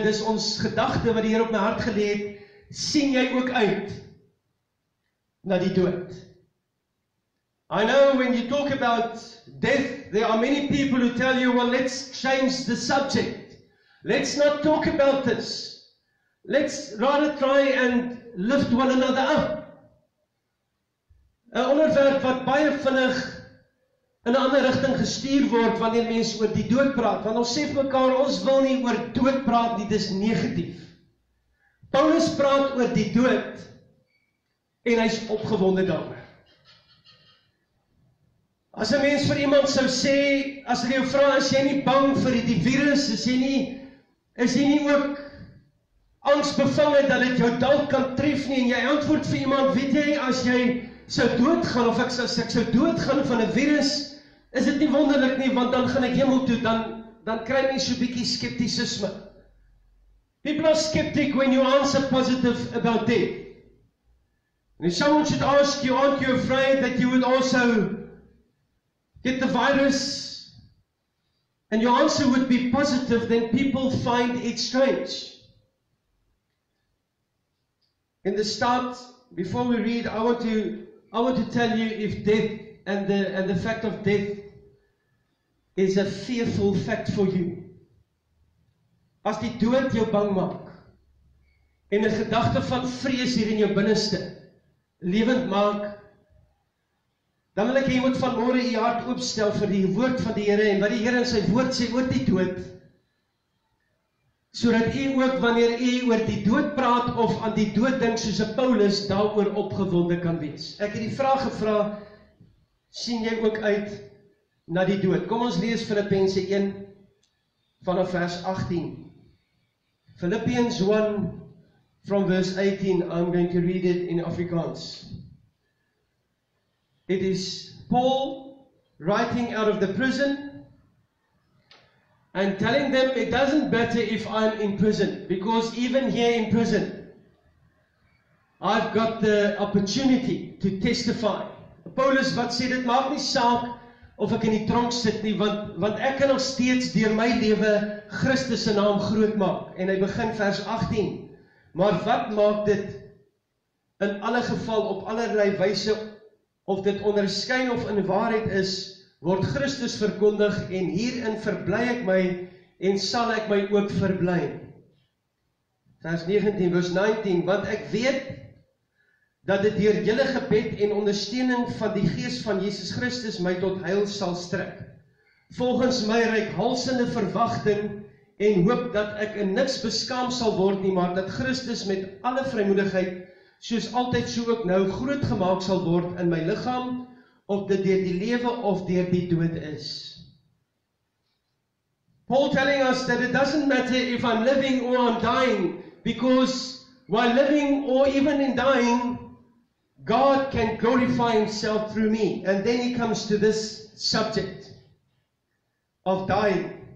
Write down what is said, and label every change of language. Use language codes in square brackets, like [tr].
[af] Dis ons gedagte wat die Heer op my hart gelê het. Sien jy ook uit na die dood? [en] I know when you talk about death, there are many people who tell you, well, let's change the subject. Let's not talk about this. Let's rather try and lift one another up. [af] 'N onderwerp wat baie vinnig in 'n ander rigting gestuur word wanneer mense oor die dood praat. Want ons sê vir mekaar, ons wil nie oor dood praat nie, dis negatief. Paulus praat oor die dood en hy's opgewonde daaroor. As 'n mens vir iemand sou sê, as hulle jou vra, is jy nie bang vir die virus, is jy nie ook angsbevange dat dit jou dalk kan tref nie, en jy antwoord vir iemand, weet jy, as jy sou doodgaan, of as ek sou doodgaan van 'n virus, is dit nie wonderlik nie, want dan gaan ek hemel toe, dan kry jy so 'n bietjie skeptisisme. [en] People are skeptic when you answer positive about death. And if someone should ask you, aren't you afraid that you would also get the virus, and your answer would be positive, then people find it strange. In the start, before we read, I want to tell you if death and the fact of death is a fearful fact for you. [af] As die dood jou bang maak, en 'n gedagte van vrees hier in jou binneste lewend maak, dan wil ek hê jy moet vanmôre jou hart oopstel vir die woord van die Here en wat die Here in sy woord sê oor die dood, sodat jy ook wanneer jy oor die dood praat of aan die dood dink soos 'n Paulus, daaroor opgewonde kan wees. Ek het die vraag gevra, sien jy ook uit na die dood? Kom ons lees Filippense 1 vanaf vers 18. [en] Philippians 1 from verse 18, I'm going to read it in Afrikaans. It is Paul writing out of the prison, And telling them it doesn't matter if I'm in prison, because even here in prison, I've got the opportunity to testify. [af] Paulus wat sê, dit maak nie saak of ek in die tronk sit nie, want ek kan nog steeds deur my lewe Christus se naam groot maak. En hy begin vers 18. Maar wat maak dit in alle geval op allerlei wyse, of dit onderskyn of in waarheid is, word Christus verkondig en hierin verbly ek my en sal ek my ook verbly. Vers 19, vers 19, want ek weet dat dit deur julle gebed en ondersteuning van die Gees van Jesus Christus my tot heil sal strek. Volgens my reikhalsende verwagting en hoop dat ek in niks beskaam sal word nie, maar dat Christus met alle vrymoedigheid, soos altyd so ook nou, groot gemaak sal word in my liggaam, of dit deur die lewe of deur die dood is. [en] Paul telling us that it doesn't matter if I'm living or I'm dying, because while living or even in dying, God can glorify himself through me. And then he comes to this subject of dying.